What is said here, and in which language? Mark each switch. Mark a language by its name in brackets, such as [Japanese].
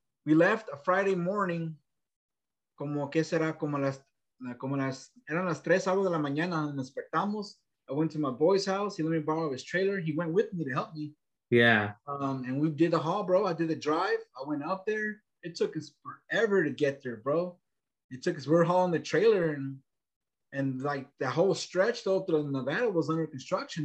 [English] We left a Friday morning. [Spanish] Como que será como las... Como las, eran las tres algo de la mañana, nos despertamos. [English] I went to my boy's house. He let me borrow his trailer. He went with me to help me. Yeah. And we did the haul, bro. I did the drive. I went up there. It took us forever to get there, bro. It took us, we're hauling the trailer. And like the whole stretch though through Nevada was under construction.